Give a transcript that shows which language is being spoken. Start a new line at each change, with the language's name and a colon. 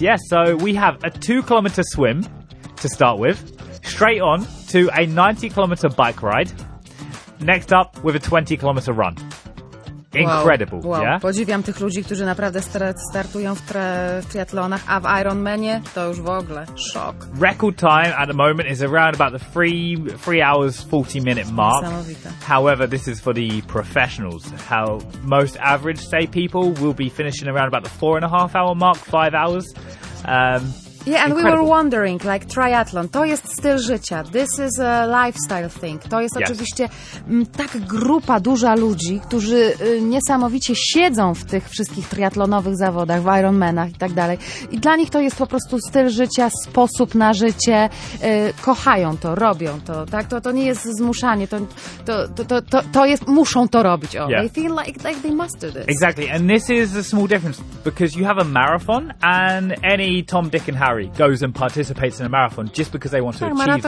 English: Yes, so we have a 2-kilometer swim to start with, straight on to a 90-kilometer bike ride, next up with a 20-kilometer run. Incredible, wow. Yeah?
Polish: Podziwiam tych ludzi, którzy naprawdę startują w triathlonach, a w Ironmanie to już w ogóle szok.
English: Record time at the moment is around about the 3 hours 40 minute mark.
Polish: Niesamowite.
English: However, this is for the professionals. How most average, say, people will be finishing around about the 4.5 hour mark, 5 hours. Yeah, and incredible. We were wondering, like triathlon,
Polish: to jest styl życia,
English: this is a lifestyle thing.
Polish: To jest
English: yes.
Polish: Oczywiście tak grupa duża ludzi, którzy niesamowicie siedzą w tych wszystkich triathlonowych zawodach, w Ironmanach i tak dalej. I dla nich to jest po prostu styl życia, sposób na życie, kochają to, robią to, tak? To nie jest zmuszanie, to jest, muszą to robić.
English: Oh, yeah. They feel like they must do this. Exactly, and this is a small difference, because you have a marathon and any Tom, Dick and Harry goes and participates in a marathon just because they want to achieve